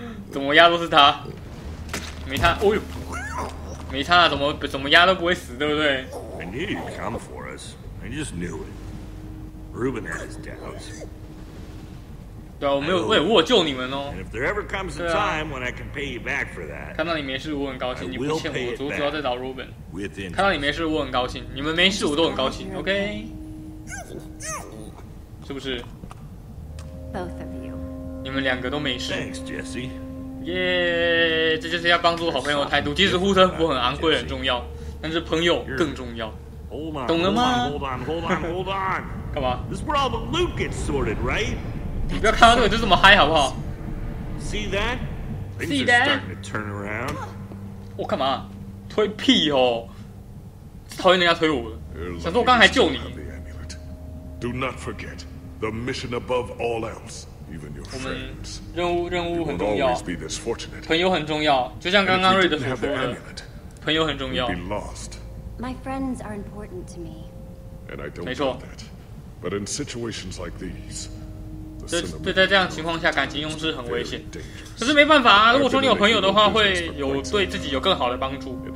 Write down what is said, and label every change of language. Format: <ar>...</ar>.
<zh>怎么压都是他，没他，哦呦，没他，怎么压都不会死，对不对</zh> <en>？I knew you'd come for us. I just knew it. Reuben had his doubts.</en> <zh>对啊，我没有，喂，我有救你们哦。</zh> <en>If there ever comes a time when I can pay you back for that,</en> <zh>看到你没事，我很高兴。你不欠我，我主要在找 Reuben。看到你没事，我很高兴。你们没事，我都很高兴。OK， 是不是</zh> <en>？Both of you，</en> <zh>你们两个都没事。</zh> <en>Thanks, Jesse。</en> <zh>耶，这就是要帮助好朋友的态度。即使护身符很昂贵、很重要，但是朋友更重要。懂了吗</zh> <en>？Hold on。</en> <zh>干嘛</zh> <en>？This problem Luke gets sorted, right?</en> <zh>你不要看到这个就这么嗨，好不好</zh> <en>？See that? See that? Turn around.</en> <zh>我干嘛？推屁哦！讨厌人家推我了。想说我刚才还救你。</zh> <en>Do not forget the mission above all else, even your friends.</en> <zh>任务很重要。朋友很重要，就像刚刚瑞德所说的，朋友很重要。</zh> <en>You'd be lost. My friends are important to me. And I don't want that. But in situations like these.</en> <zh>对，在这样的情况下，感情用事很危险。可是没办法啊，如果说你有朋友的话，会有对自己有更好的帮助。</zh>